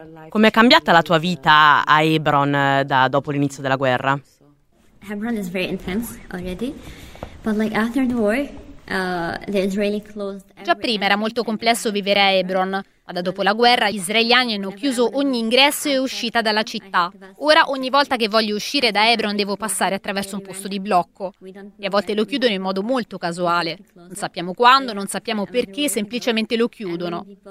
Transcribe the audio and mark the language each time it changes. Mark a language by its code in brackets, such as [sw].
[it] Come è cambiata la tua vita a Hebron da dopo l'inizio della guerra? [en] Hebron is very intense already, but like after the war, [it] Già prima era molto complesso vivere a Hebron, ma da dopo la guerra gli israeliani hanno chiuso ogni ingresso e uscita dalla città. Ora ogni volta che voglio uscire da Hebron devo passare attraverso un posto di blocco. E a volte lo chiudono in modo molto casuale. Non sappiamo quando, non sappiamo perché, semplicemente lo chiudono.